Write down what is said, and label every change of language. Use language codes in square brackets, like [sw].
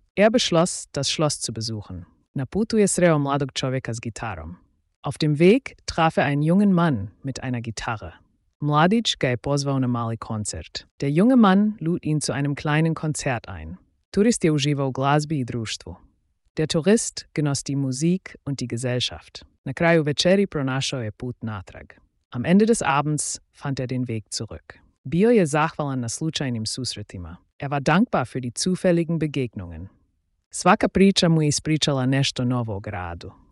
[de] Er beschloss, das Schloss zu besuchen. [hr] Na putu je sreo mladog čovjeka s gitarom. [de] Auf dem Weg traf er einen jungen Mann mit einer Gitarre. [hr] Mladić ga je pozvao na mali koncert. [de] Der junge Mann lud ihn zu einem kleinen Konzert ein. [hr] Turist je uživao u glazbi i društvu. [de] Der Tourist genoss die Musik und die Gesellschaft. [hr] Na kraju večeri pronašao je put natrag. [de] Am Ende des Abends fand er den Weg zurück. [hr] Bio je zahvalan na slučajnim susretima. [de] Er war dankbar für die zufälligen Begegnungen. [hr] Svaka priča mu je ispričala nešto novo o gradu.